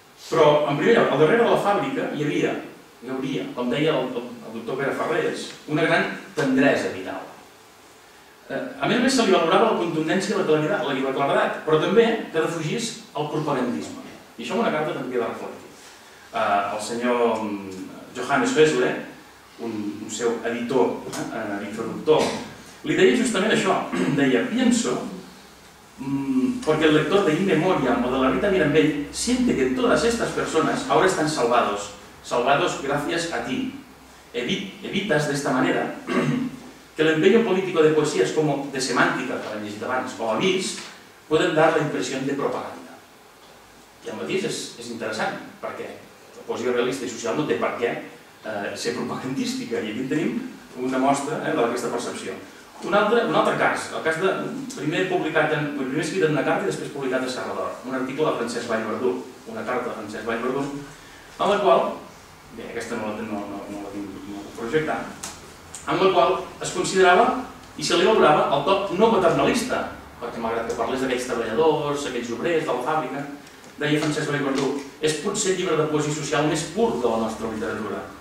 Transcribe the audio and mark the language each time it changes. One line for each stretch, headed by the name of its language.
Catalan: Però, en primer lloc, al darrere de la fàbrica hi hauria, com deia el doctor Pere Ferrés, una gran tendresa vital. A més a més, se li valorava la contundència i la claredat, però també que defugís el propagandisme. I això en una carta també ha de reflectir. El senyor Johannes Fesle, un seu editor, introductor, li deia justament això, deia,
Spanish: pienso, porque el lector de In Memoriam o de la Rita Mirambell siente que todas estas personas ahora están salvados gracias a ti. Evitas de esta manera que el empeño político de poesías como de semántica,
Catalan: que l'hem llegit abans,
Spanish: o avís, pueden dar la impresión de propaganda.
Catalan: I el mateix és interessant, perquè la poesia realista i social no té per què ser propagandística, i aquí tenim una mostra d'aquesta percepció. Un altre cas, el cas de primer escrit en una carta i després publicat a Serrador, un article de Francesc Vallverdú, una carta de Francesc Vallverdú, en la qual, bé, aquesta no la tinc projectada, en la qual es considerava i se li valorava el toc no paternalista, perquè malgrat que parlés d'aquells treballadors, aquells obrers, de la fàbrica, deia Francesc Vallverdú, és potser el llibre de poesia social més pur de la nostra literatura.